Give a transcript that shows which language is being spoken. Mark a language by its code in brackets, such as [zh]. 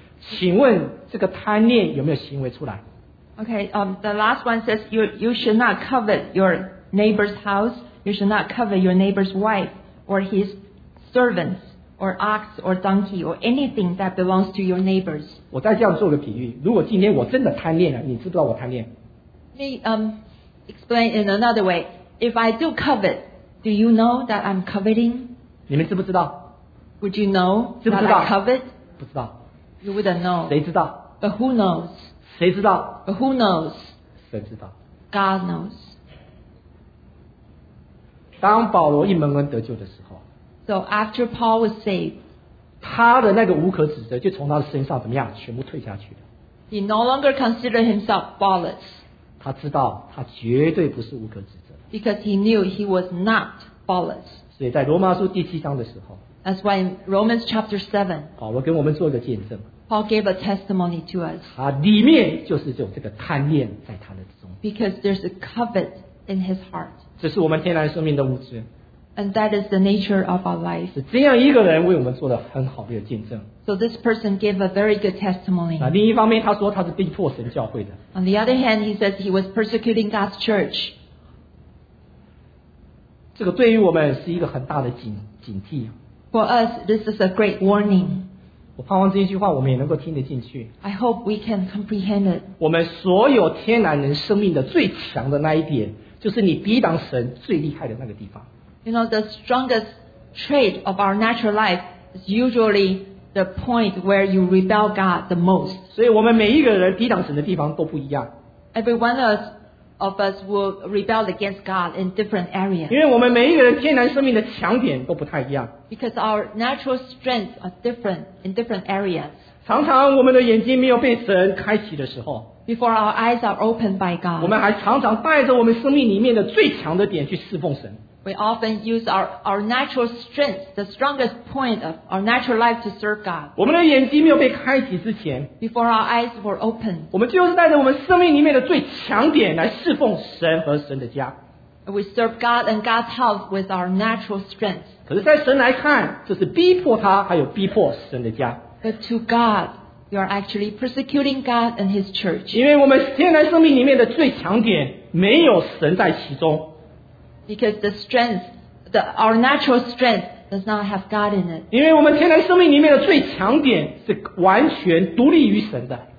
[zh] 我们来说说第六条是什么？第六条是什么？他说不可贪恋人的房子，不可贪恋人的妻子、奴仆、牛驴，并他一切所有的。请问这个贪恋有没有行为出来 [en] ？Okay, the last one says you should not covet your neighbor's house. You should not covet your neighbor's wife. Or his servants, or ox, or donkey, or anything that belongs to your neighbors. [zh] 我再这样做个比喻，如果今天我真的贪恋了，你知不知道我贪恋？ [en] Let me explain in another way. If I do covet, do you know that I'm coveting? [zh] 你们知不知道？ [en] Would you know [zh] 知不知道? [en] That I covet? [zh] 不知道。 [en] You wouldn't know. [zh] 谁知道？ [en] But who knows? [zh] 谁知道？ [en] But who knows? [zh] 谁知道？ [en] God knows. [zh] 当保罗一蒙恩得救的时候 [en] So after Paul was saved [zh] 他的那个无可指责就从他的身上怎么样全部退下去了 [en] He no longer considered himself faultless [zh] 他知道他绝对不是无可指责 [en] Because he knew he was not faultless [zh] 所以在罗马书第七章的时候 [en] That's why in Romans chapter 7 [zh] 保罗给我们做一个见证 [en] Paul gave a testimony to us [zh] 他里面就是有这个贪恋在他的中 [en] Because there's a covet in his heart [zh] 这是我们天然生命的物质 [en] And that is the nature of our life [zh] 是这样一个人为我们做了很好的见证 [en] So this person gave a very good testimony [zh] 另一方面他说他是逼迫神教会的 [en] On the other hand he says he was persecuting God's church [zh] 这个对于我们是一个很大的警, 警惕。 [en] For us, this is a great warning. [zh] 我盼望这一句话我们也能够听得进去。 [en] I hope we can comprehend it. [zh] 我们所有天然人生命的最强的那一点，就是你抵挡神最厉害的那个地方。 [en] You know, the strongest trait of our natural life is usually the point where you rebel God the most. [zh] 所以我们每一个人抵挡神的地方都不一样。 [en] Every one of us will rebel against God in different areas. [zh] 因为我们每一个人天然生命的强点都不太一样。 [en] Because our natural strengths are different in different areas. [zh] 常常我们的眼睛没有被神开启的时候。 [en] Before our eyes are opened by God. [zh] 我们还常常带着我们生命里面的最强的点去侍奉神。 [en] We often use our natural strength, the strongest point of our natural life to serve God. [zh] 我们的眼睛没有被开启之前 [en] ，before our eyes were open， [zh] 我们就是带着我们生命里面的最强点来侍奉神和神的家。 [en] We serve God and God's house with our natural strength. [zh] 可是，在神来看，这是逼迫他，还有逼迫神的家。 [en] But to God, you are actually persecuting God and His church. [zh] 因为我们天然生命里面的最强点没有神在其中。 [en] Because the strength, our natural strength does not have God in it. [zh] 因为我们天然生命里面的最强点是完全独立于神的。